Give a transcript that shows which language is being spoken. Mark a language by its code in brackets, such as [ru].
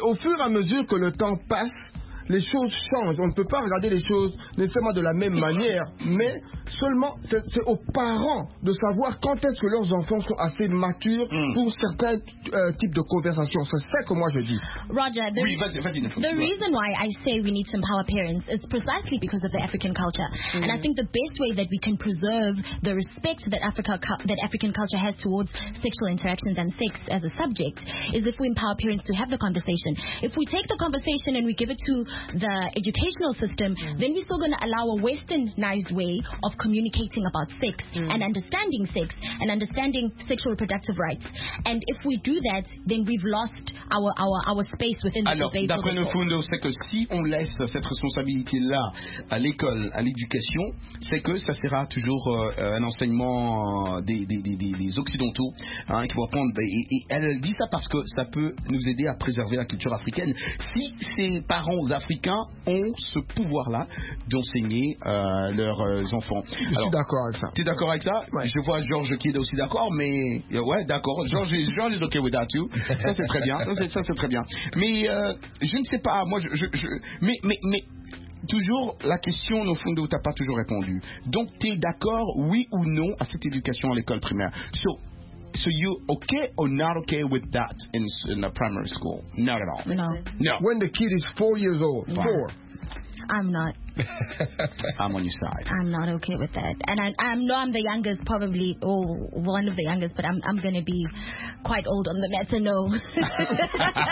[fr] Au fur et à mesure que le temps passe, les choses changent. On ne peut pas regarder les choses nécessairement de la même manière, mais seulement c'est aux parents de savoir quand est-ce que leurs enfants sont assez matures pour certains types de conversations. C'est ça que moi je dis. [en] Roger, the reason why I say we need to empower parents is precisely because of the African culture. And I think the best way that we can preserve the respect that African culture has towards sexual interactions and sex as a subject is if we empower parents to have the conversation. If we take the conversation and we give it to the educational system, then we're still going to allow a westernized way of communicating about sex and understanding sex and understanding sexual reproductive rights. And if we do that, then we've lost our space within the society. [fr] Alors, d'après nos fondos, c'est que si on laisse cette responsabilité-là à l'école, à l'éducation, c'est que ça sera toujours un enseignement des occidentaux hein, qui vont prendre. Et elle dit ça parce que ça peut nous aider à préserver la culture africaine. Si ses parents africains ont ce pouvoir-là d'enseigner leurs enfants. Alors, je suis d'accord avec ça. Tu es d'accord avec ça? Ouais. Je vois Georges qui est aussi d'accord, mais ouais, d'accord. Georges est [en] okay with that too. [fr] Ça, c'est très bien. Ça, c'est très bien. Mais je ne sais pas. Moi, mais toujours la question, au fond, où tu n'as pas toujours répondu. Donc, tu es d'accord, oui ou non, à cette éducation à l'école primaire? [en] So you okay or not okay with that in a primary school? Not at all. No. When the kid is 4 years old, fine. Four. I'm not. I'm on your side. I'm not okay with that. And I know I'm the youngest, probably, one of the youngest, but I'm going to be quite old on the matter, no.